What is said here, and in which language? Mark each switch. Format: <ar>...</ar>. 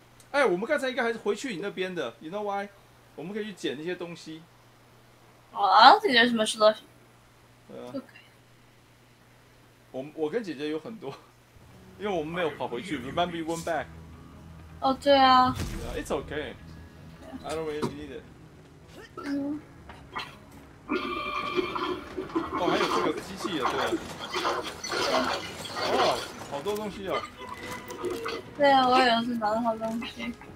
<zh>哎，我们刚才应该还是回去你那边的 ，</zh> <en>you know why？</en> <zh>我们可以去捡那些东西。哦，啊，这有什么事的？对啊。我跟姐姐有很多，因为我们没有跑回去 ，</zh> <en>remember we went back。</en> <zh>哦，对啊。</zh> <en>Yeah, it's okay. I don't really need it.</en> <zh>嗯。哦，还有这个机器啊，对啊。哦，好多东西啊。对啊，我也是拿了好东西。</zh>